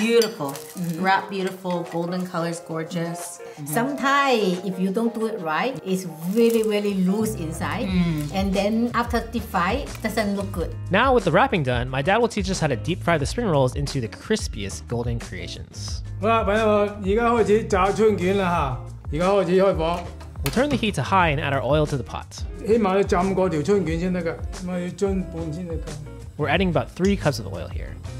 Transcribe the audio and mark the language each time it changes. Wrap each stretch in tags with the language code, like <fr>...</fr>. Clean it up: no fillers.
<en>Beautiful. Mm-hmm. Wrap beautiful, golden colors, gorgeous. Mm-hmm. Sometimes, if you don't do it right, it's really, really loose inside. Mm. And then after deep fry, doesn't look good. Now with the wrapping done, my dad will teach us how to deep fry the spring rolls into the crispiest golden creations.</en> <zh>好啦，朋友，现在开始炸春卷了哈。现在开始开火。</zh> <en>We'll turn the heat to high and add our oil to the pot. We're adding about 3 cups of oil here.</en>